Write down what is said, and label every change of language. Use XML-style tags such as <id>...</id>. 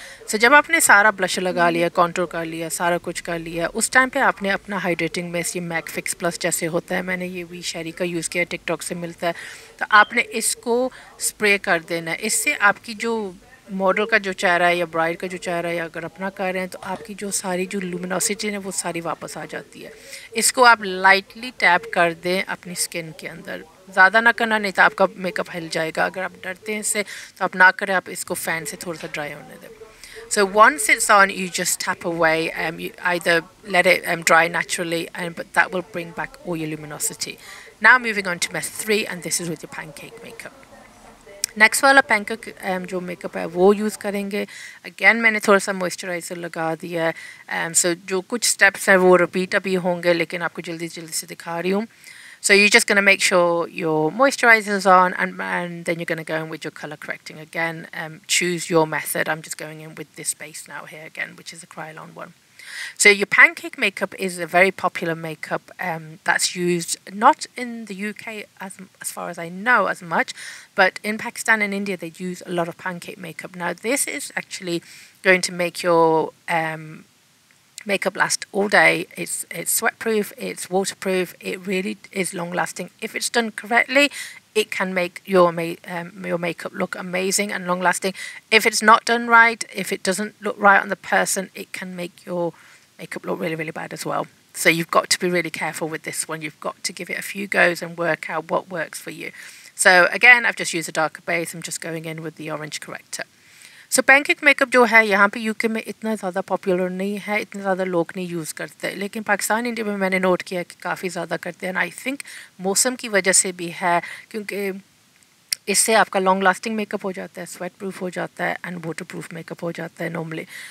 <hi>So जब आपने सारा ब्लश लगा लिया, कॉन्टोर कर लिया, सारा कुछ कर लिया, उस टाइम पे आपने अपना हाइड्रेटिंग मिस्ट, ये मैक फिक्स प्लस जैसे होता है, मैंने ये वी शेरी का यूज़ किया, टिकटॉक से मिलता है, तो आपने इसको स्प्रे कर देना है। इससे आपकी जो मॉडल का जो चेहरा है या ब्राइड का जो चेहरा है, या अगर अपना कर रहे हैं, तो आपकी जो सारी जो ल्यूमिनोसिटी है वो सारी वापस आ जाती है। इसको आप लाइटली टैप कर दें अपनी स्किन के अंदर, ज़्यादा ना करना नहीं तो आपका मेकअप हिल जाएगा। अगर आप डरते हैं इससे तो आप ना करें, आप इसको फैन से थोड़ा सा ड्राई होने दें।</hi> <en>So once it's on, you just tap away and you either let it dry naturally, and but that will bring back all your luminosity. Now moving on to method 3, and this is with your pancake makeup.</en> <hi>Next वाला pancake जो makeup है वो use करेंगे। Again मैंने थोड़ा सा moisturiser लगा दिया है, सो जो कुछ स्टेप्स हैं वो रिपीट अभी होंगे लेकिन आपको जल्दी जल्दी से दिखा रही हूँ।</hi> <en>So you just gonna make sure your moisturisers on and then you gonna go in with your colour correcting. Again choose your method, I am just going in with this base now here again which is a Krylon one. So your pancake makeup is a very popular makeup that's used not in the UK as far as I know as much, but in Pakistan and India they use a lot of pancake makeup. Now this is actually going to make your makeup last all day. It's sweat proof, it's waterproof, it really is long lasting. If it's done correctly, it can make your makeup look amazing and long lasting. If it's not done right, if it doesn't look right on the person, it can make your makeup look really, really bad as well. So you've got to be really careful with this one. You've got to give it a few goes and work out what works for you. So again, I've just used a darker base. I'm just going in with the orange corrector.</en> <hi>So pancake makeup जो है यहाँ पे UK में इतना ज़्यादा popular नहीं है, इतने ज़्यादा लोग नहीं यूज़ करते, लेकिन पाकिस्तान इंडिया में मैंने नोट किया कि काफ़ी ज़्यादा करते हैं।</hi> <en>I think</en> <hi>मौसम की वजह से भी है, क्योंकि इससे आपका लॉन्ग लास्टिंग मेकअप हो जाता है, स्वेट प्रूफ हो जाता है एंड वाटर प्रूफ मेकअप हो जाता है नॉर्मली।</hi>